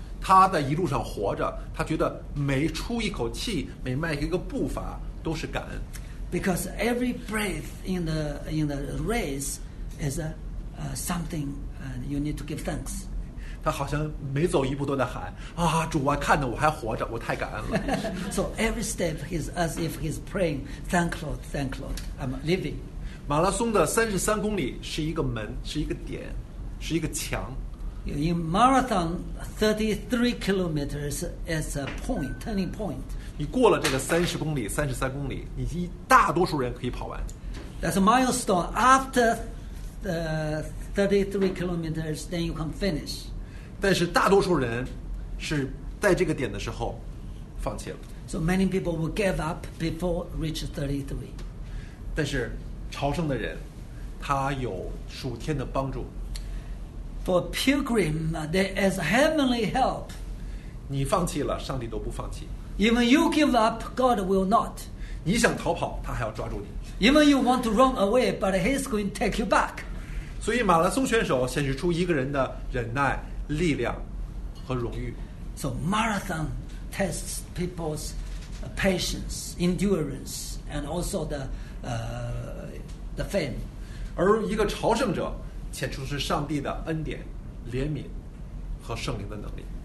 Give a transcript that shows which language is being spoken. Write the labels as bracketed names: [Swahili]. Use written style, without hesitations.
[Chinese] 他在一路上活着，他觉得每出一口气，每迈一个步伐都是感恩。 [English] Because every breath in the race is something you need to give thanks. [Chinese] 他好像每走一步都在喊啊，主啊，看着我还活着，我太感恩了。 [English] So every step is as if he's praying, thank Lord, thank Lord, I'm living. [Chinese] 马拉松的33公里是一个门，是一个点，是一个墙。 [English] In marathon, 33 kilometers is a point, turning point. [Chinese] 你过了这个33公里，你一大多数人可以跑完。 [English] That's a milestone. After the 33 kilometers, then you can finish. [Chinese] 但是大多数人是在这个点的时候放弃了。 [English] So many people will give up before reach 33. [Chinese] 但是朝圣的人，他有属天的帮助。 [English] For pilgrim, there is heavenly help. [Chinese] 你放弃了，上帝都不放弃。 [English] Even you give up, God will not. [Chinese] 你想逃跑，他还要抓住你。 [English] Even you want to run away, but he's going to take you back. [Chinese] 所以马拉松选手显示出一个人的忍耐、力量和荣誉。 [English] So marathon tests people's patience, endurance, and also the fame. [Chinese] 而一个朝圣者显出是上帝的恩典、怜悯和圣灵的能力。